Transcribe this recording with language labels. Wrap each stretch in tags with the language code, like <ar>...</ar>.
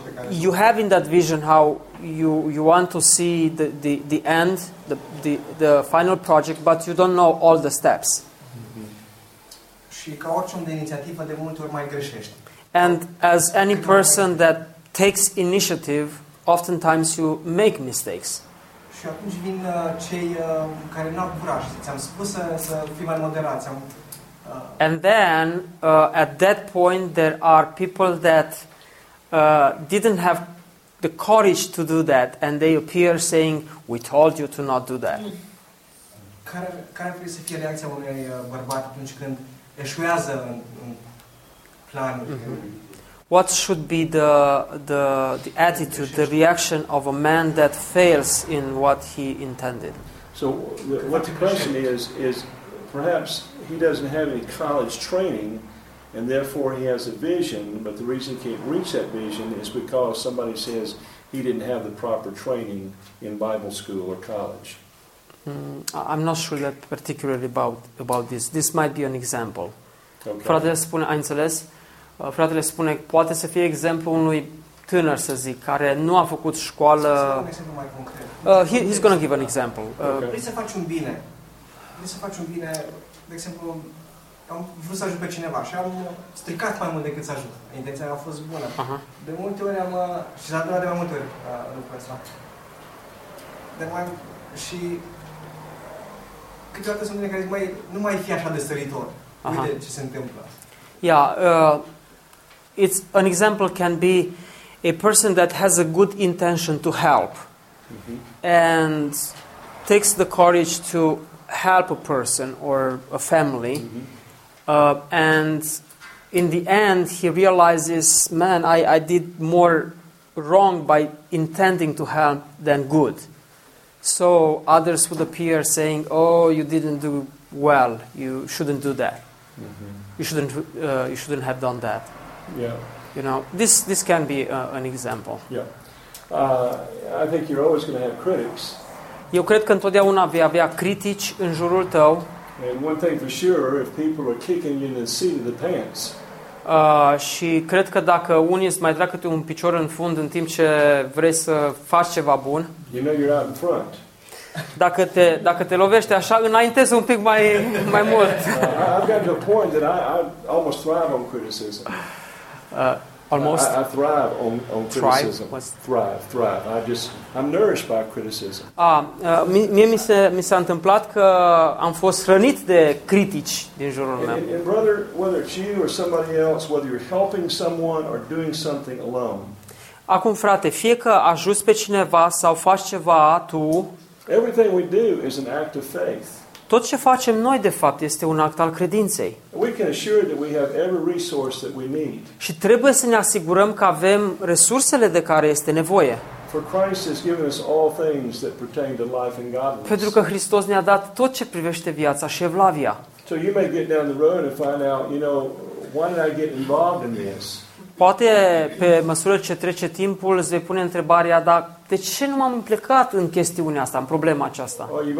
<en>You have in that vision how you want to see the end, the final project, but you don't know all the steps. Mm-hmm. And as any person that takes initiative, oftentimes you make mistakes.</en> <ro>Și atunci vin cei care n-au curaj. Ți-am spus să fii mai moderat.</ro> <en>And then at that point there are people that didn't have the courage to do that and they appear saying we told you to not do that.</en> <ro>Care trebuie să fie reacția unui bărbat atunci când eșuează în plan?</ro> <en>What should be the attitude, the reaction of a man that fails in what he intended? So what the question is perhaps he doesn't have any college training and therefore he has a vision, but the reason he can't reach that vision is because somebody says he didn't have the proper training in Bible school or college. I'm not sure that particularly about this. This might be an example. Okay.</en> <ro>Fratele spune, ai înțeles? Fratele spune, poate să fie exemplu unui tânăr, să zic, care nu a făcut școală.</ro> <en>He's going to give an example.</en> <ro>Vrei să faci un bine. Vrei să faci un bine, de exemplu, am vrut să ajut pe cineva și am stricat mai mult decât să ajut. Intenția mea a fost bună. Uh-huh. De multe ori am, și s-a întâmplat de mai multe ori lucrul ăsta. Și câteodată sunt unii care zic, nu mai fi așa de săritor. Uite uh-huh. ce se întâmplă.</ro> <en>Yeah, it's an example can be a person that has a good intention to help mm-hmm. and takes the courage to help a person or a family mm-hmm. And in the end he realizes, man, I did more wrong by intending to help than good. So others would appear saying, oh, you didn't do well, you shouldn't do that. Mm-hmm. You shouldn't have done that. Yeah. You know, this can be an example. Yeah. I think you're always going to have critics.</en> <ro>Eu cred că întotdeauna vei avea critici în jurul tău.</ro> <en>And one thing for sure, if people are kicking you in the seat of the pants.</en> <ro>Și cred că dacă unii îți mai dă câte un picior în fund în timp ce vrei să faci ceva bun.</ro> <en>You know you're out in front.</en> <ro>Dacă te lovește așa, înaintezi un pic mai mult.</ro> <en>I've got to a point that I almost thrive on criticism. Almost? I thrive on criticism. Thrive. I'm nourished by criticism.</en> <ro>Mie mi s-a întâmplat că am fost rănit de critici din jurul meu.</ro> <en>And brother, whether it's you or somebody else, whether you're helping someone or doing something alone.</en> <ro>Acum, frate, fie că ajuți pe cineva sau faci ceva tu,</ro> <en>everything we do is an act of faith.</en> <ro>Tot ce facem noi, de fapt, este un act al credinței.</ro> <en>We can assure that we have every resource that we need.</en> <ro>Și trebuie să ne asigurăm că avem resursele de care este nevoie.</ro> <en>For Christ has given us all things that pertain to life and godliness.</en> <ro>Pentru că Hristos ne-a dat tot ce privește viața și evlavia.</ro> <en>So you may get down the road and find out, you know, why did I get involved in this?</en> <ro>Poate pe măsură ce trece timpul îți vei pune întrebarea, dar de ce nu m-am implicat în chestiunea asta, în problema aceasta?</ro>